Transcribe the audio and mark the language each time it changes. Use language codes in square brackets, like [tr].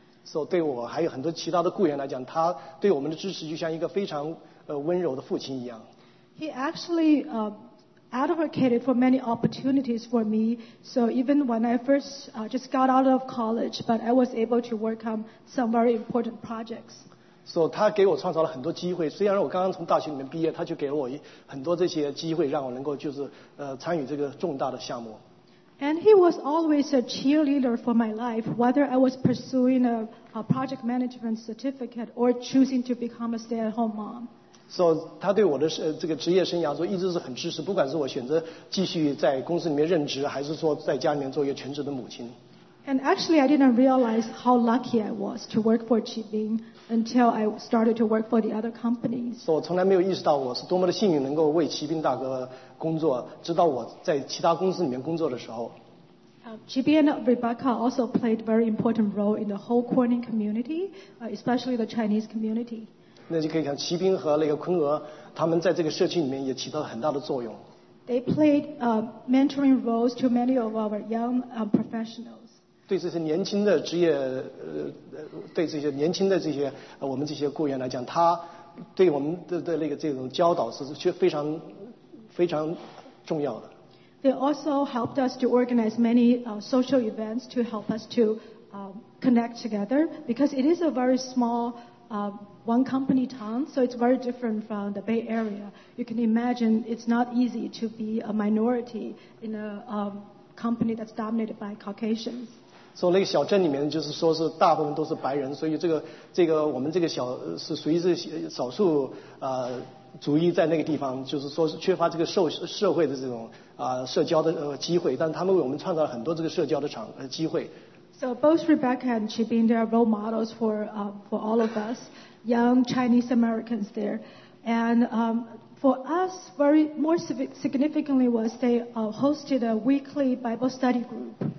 [zh] So 对我还有很多其他的雇员来讲，他对我们的支持就像一个非常温柔的父亲一样。 [en] He actually advocated for many opportunities for me. So even when I first just got out of college, but I was able to work on some very important projects. [zh] 所以他给我创造了很多机会，虽然我刚刚从大学里面毕业，他就给了我很多这些机会，让我能够就是参与这个重大的项目。 [en] And he was always a cheerleader for my life, whether I was pursuing a project management certificate or choosing to become a stay-at-home mom. [zh] So 他对我的这个职业生涯说一直是很支持，不管是我选择继续在公司里面任职，还是说在家里面做一个全职的母亲。 [en] And actually, I didn't realize how lucky I was to work for Chi Bin until I started to work for the other companies. [zh] So, 我从来没有意识到我是多么的幸运能够为骑兵大哥工作，直到我在其他公司里面工作的时候。 [en] Chi Bin and Rebecca also played very important role in the whole Corning community, especially the Chinese community. [zh] 那就可以看骑兵和那个昆俄，他们在这个社区里面也起到了很大的作用。 [en] They played mentoring roles to many of our young professionals. [zh] 对这些年轻的职业，对这些年轻的这些我们这些雇员来讲，他对我们的那个这种教导是非常非常重要的。 [en] They also helped us to organize many social events to help us to connect together because it is a very small one company town, so it's very different from the Bay Area. You can imagine it's not easy to be a minority in a company that's dominated by Caucasians. [zh] 所以那个小镇里面就是说是大部分都是白人，所以这个我们这个小是属于这少数族裔在那个地方，就是说是缺乏这个社会的这种社交的机会，但他们为我们创造了很多这个社交的机会。 [en] So both Rebecca and Chi Bin are role models for all of us young Chinese Americans there, and for us very more significantly was they hosted a weekly Bible study group.